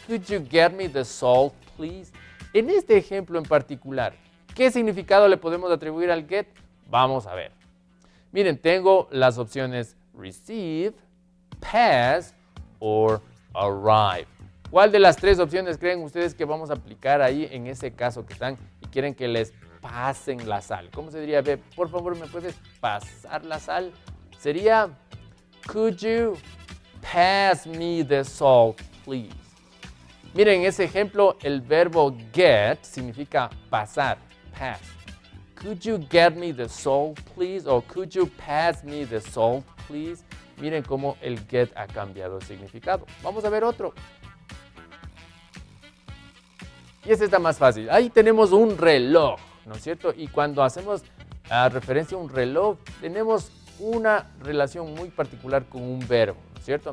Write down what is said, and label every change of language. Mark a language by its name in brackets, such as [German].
[English] Could you get me the salt, please? [Spanish] En este ejemplo en particular, ¿qué significado le podemos atribuir al get? Vamos a ver. Miren, tengo las opciones receive, pass, or arrive. ¿Cuál de las tres opciones creen ustedes que vamos a aplicar ahí en ese caso que están y quieren que les pasen la sal? ¿Cómo se diría? Por favor, ¿me puedes pasar la sal? [English] Sería, could you pass me the salt, please? [Spanish] Miren, ese ejemplo, el verbo get significa pasar, pass. [English] Could you get me the salt, please? O could you pass me the salt, please? [Spanish] Miren cómo el get ha cambiado el significado. Vamos a ver otro. Y este está más fácil. Ahí tenemos un reloj, ¿no es cierto? Y cuando hacemos referencia a un reloj, tenemos una relación muy particular con un verbo, ¿no es cierto?